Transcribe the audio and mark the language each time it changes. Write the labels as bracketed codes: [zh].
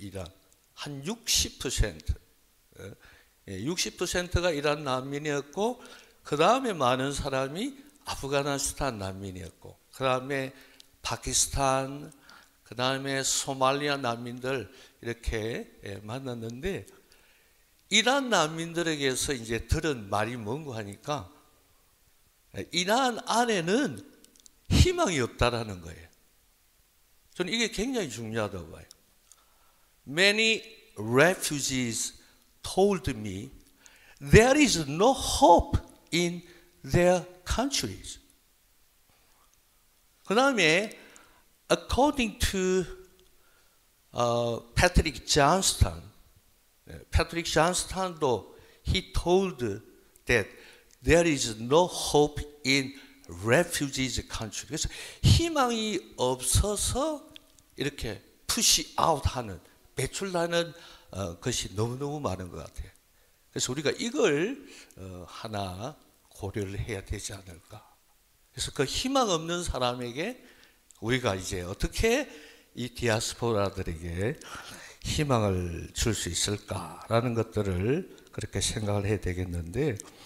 [ko] 이란 한 60%가 이란 난민이었고 그 다음에 많은 사람이 아프가니스탄 난민이었고 그 다음에 파키스탄 그 다음에 소말리아 난민들 이렇게 만났는데 이란 난민들에게서 이제 들은 말이 뭔고 하니까 이란 안에는 희망이 없다라는 거예요. 저는 이게 굉장히 중요하다고 봐요. [en] Many refugees told me there is no hope in their countries. [ko] 그 다음에 [en] according to Patrick Johnston, Patrick Johnston도 he told that there is no hope in refugees country. [ko] 그래서 희망이 없어서 이렇게 push out 하는 배출하는 것이 너무너무 많은 것 같아요. 그래서 우리가 이걸 하나 고려를 해야 되지 않을까. 그래서 그 희망 없는 사람에게 우리가 이제 어떻게 이 디아스포라들에게 희망을 줄 수 있을까라는 것들을 그렇게 생각을 해야 되겠는데,